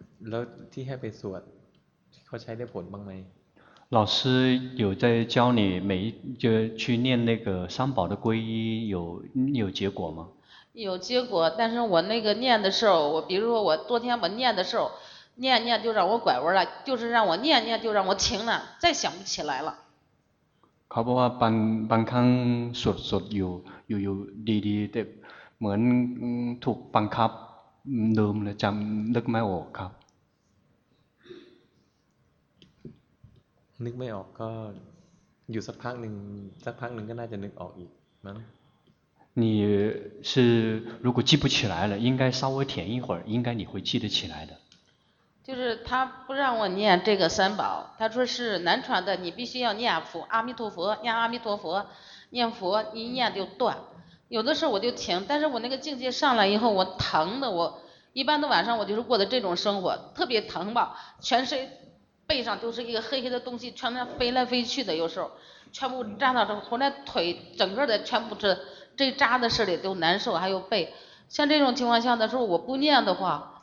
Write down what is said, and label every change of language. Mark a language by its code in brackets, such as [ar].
[th] แล้วที่ให้ไปสวดเขาใช้ได้ผลบ้างไหม [zh] 老师有在教你每就去念那个三宝的皈依有结果吗有结果但是我那个念的时候我比如说我昨天我念的时候念念就让我拐弯了就是让我念念就让我停了再想不起来了 [th] ครับว่าบางครั้งสดอยู่ดีแต่เหมือนถูกบังคับลืมแล้วจำนึกไม่ออกครับ นึกไม่ออกก็อยู่สักพักนึงก็น่าจะนึกออกอีกมั้ง [zh] 你是如果记不起来了应该稍微停一会儿应该你会记得起来的就是他不让我念这个三宝他说是难传的你必须要念佛阿弥陀佛念阿弥陀佛念佛一念就断有的时候我就停但是我那个境界上来以后我疼的我一般的晚上我就是过的这种生活特别疼吧全身背上就是一个黑黑的东西全在飞来飞去的有时候全部扎到这回来腿整个的全部是这扎的事里都难受还有背像这种情况下的时候我不念的话